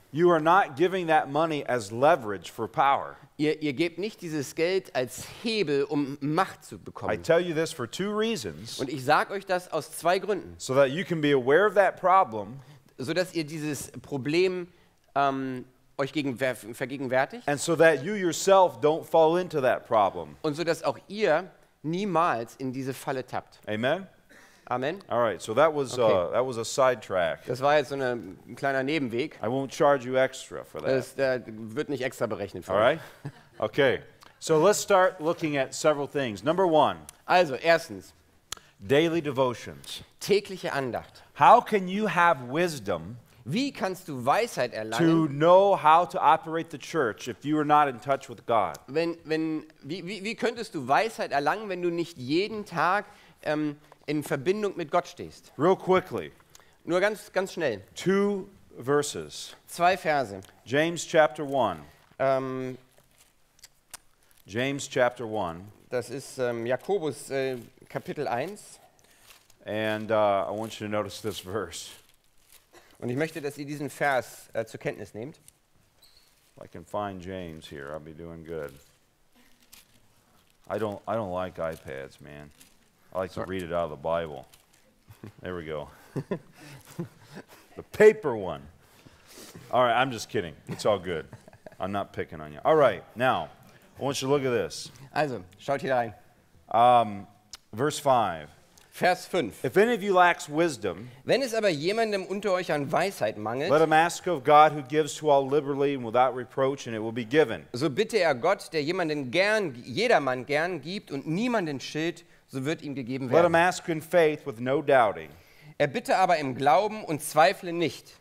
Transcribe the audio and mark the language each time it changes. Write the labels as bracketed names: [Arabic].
[English] You are not giving that money as leverage for power. [German] Ihr gebt nicht dieses Geld als Hebel, um Macht zu bekommen. [English] I tell you this for two reasons. [German] Und ich sage euch das aus zwei Gründen. [English] So that you can be aware of that problem. [German] So dass ihr dieses Problem euch vergegenwärtigt. [English] And so that you yourself don't fall into that problem. [German] Und so dass auch ihr niemals in diese Falle tappt. [English] Amen. [German] Amen. [English] All right, so that was okay. That was a sidetrack. [German] Das war jetzt so ein kleiner Nebenweg. [English] I won't charge you extra for that. [German] Das wird nicht extra berechnet für. [English] All right. Okay. So let's start looking at several things. Number one. [German] Also, erstens. [English] Daily devotions. [German] Tägliche Andacht. [English] How can you have wisdom? [German] Wie kannst du Weisheit erlangen? [English] To know how to operate the church if you are not in touch with God. [German] Wie könntest du Weisheit erlangen, wenn du nicht jeden Tag in Verbindung mit Gott stehst? [English] Real quickly. [German] Nur ganz schnell. [English] Two verses. [German] Zwei Verse. [English] James chapter 1. James chapter 1. [German] Das ist Jakobus Kapitel 1. [English] And I want you to notice this verse. [German] Und ich möchte, dass ihr diesen Vers zur Kenntnis nehmt. [English] If I can find James here, I'll be doing good. I don't like iPads, man. I like Sorry. To read it out of the Bible. There we go. The paper one. All right, I'm just kidding. It's all good. I'm not picking on you. All right, now, I want you to look at this. [German] Also, schaut hier rein. [English] Verse 5. [German] Vers 5. [English] If any of you lacks wisdom, [German] wenn es aber jemandem unter euch an Weisheit mangelt, [English] let him ask of God who gives to all liberally and without reproach, and it will be given. [German] So bitte er Gott, der jedermann gern gibt und niemanden schilt, so wird ihm gegeben werden. [English] Let him ask in faith with no doubting. [German] Er bitte aber im Glauben und zweifle nicht.